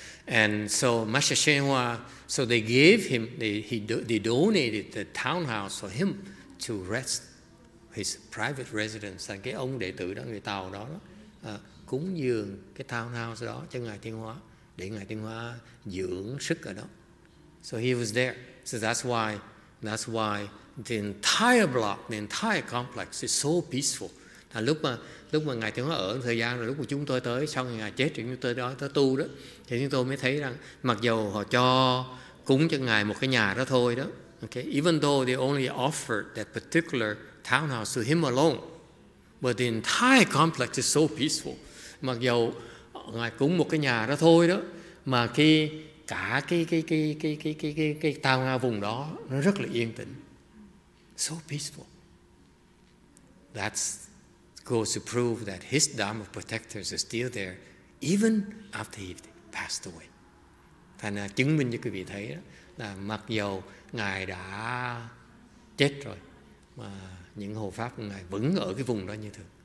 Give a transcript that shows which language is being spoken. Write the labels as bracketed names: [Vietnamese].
[English] And so Master Shen Hua, so they gave him, they donated the townhouse for him to rest, his private residence. [Vietnamese] Cái ông đệ tử đó, người Tàu đó, cúng dường cái townhouse đó cho ngài Thiên Hóa, để ngài Thiên Hóa dưỡng sức ở đó. [English] So he was there. So that's why the entire block, the entire complex is so peaceful. [Vietnamese] Là lúc mà ngài Thiên Hóa ở thời gian rồi, lúc mà chúng tôi tới sau khi ngài chết thì chúng tôi đó tới tu đó, thì chúng tôi mới thấy rằng mặc dầu họ cho cúng cho ngài một cái nhà đó thôi đó, okay, [English] even though they only offered that particular townhouse to him alone, but the entire complex is so peaceful. [Vietnamese] Mặc dầu ngài cúng một cái nhà đó thôi đó, mà khi cả cái townhouse vùng đó nó rất là yên tĩnh. [English] So peaceful. That goes to prove that his Dharma protectors are still there even after he passed away. [Vietnamese] Thành chứng minh cho quý vị thấy đó, là mặc dù ngài đã chết rồi mà những hộ pháp của ngài vẫn ở cái vùng đó như thường.